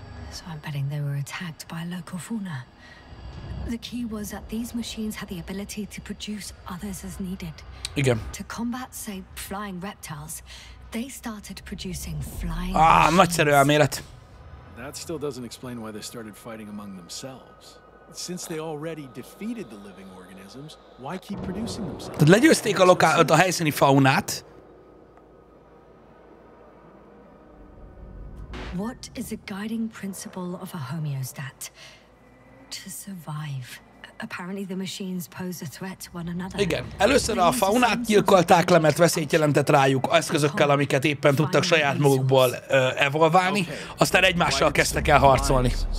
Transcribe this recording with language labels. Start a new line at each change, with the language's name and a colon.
English: So I'm betting they were attacked by a local fauna. The key was that these machines had the ability to produce others as needed. Again. To combat, say, flying reptiles, they started producing flying
Hungarian: machines. Nagyszerű elmélet.
English: That still doesn't explain why they started fighting among themselves. Since they already defeated the living organisms, why keep producing themselves?
Hungarian: Tehát legyőzték a helyszíni faunát.
English: What is a guiding principle of a homeostat? To survive. Apparently the machines pose a threat to one another.
Hungarian: Igen. Először a faunát gyilkolták le, mert veszélyt jelentett rájuk eszközökkel, amiket éppen tudtak saját magukból evolválni, aztán egymással kezdtek el harcolni.